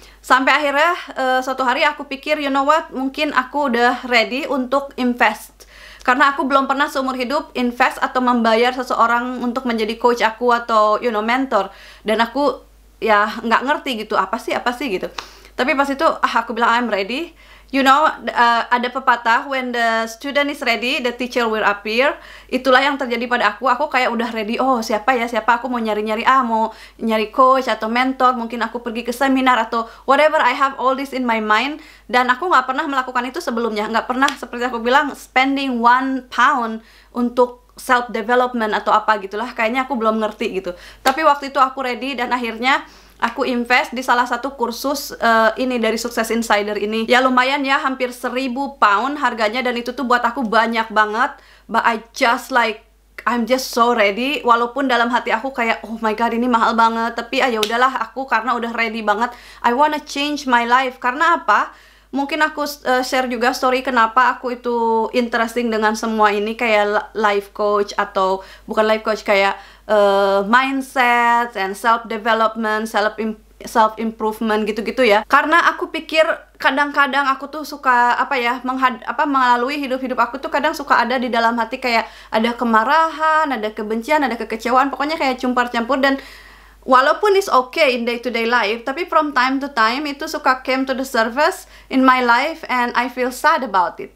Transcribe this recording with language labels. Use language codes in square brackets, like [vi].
[id] Sampai akhirnya suatu hari aku pikir, [en] you know what, [id] mungkin aku udah ready untuk invest. Karena aku belum pernah seumur hidup invest atau membayar seseorang untuk menjadi coach aku atau [en] you know, [id] mentor. Dan aku ya nggak ngerti gitu, apa sih gitu. Tapi pas itu aku bilang [en] I'm ready. You know, [id] ada pepatah, [en] when the student is ready, the teacher will appear. [id] Itulah yang terjadi pada aku. Aku kayak udah ready, oh siapa ya, siapa, aku mau nyari-nyari, ah mau nyari coach atau mentor, mungkin aku pergi ke seminar atau whatever, [en] I have all this in my mind. [id] Dan aku nggak pernah melakukan itu sebelumnya, nggak pernah, seperti aku bilang, spending £1 untuk self development atau apa gitulah, kayaknya aku belum ngerti gitu. Tapi waktu itu aku ready, dan akhirnya aku invest di salah satu kursus ini dari Success Insider ini. Ya lumayan ya, hampir £1000 harganya, dan itu tuh buat aku banyak banget. [en] But I just like, I'm just so ready. [id] Walaupun dalam hati aku kayak, [en] oh my god, [id] ini mahal banget. Tapi ya udahlah, aku karena udah ready banget, [en] I wanna change my life. [id] Karena apa? Mungkin aku share juga story kenapa aku itu interesting dengan semua ini, kayak life coach atau bukan life coach, kayak [en] mindset and self development, self improvement [id] gitu-gitu ya. Karena aku pikir kadang-kadang aku tuh suka apa ya, melalui hidup-hidup aku tuh kadang suka ada di dalam hati kayak ada kemarahan, ada kebencian, ada kekecewaan, pokoknya kayak campur-campur. Dan walaupun [en] it's okay in day-to-day life, [id] tapi [en] from time to time [id] itu suka [en] came to the surface in my life and I feel sad about it.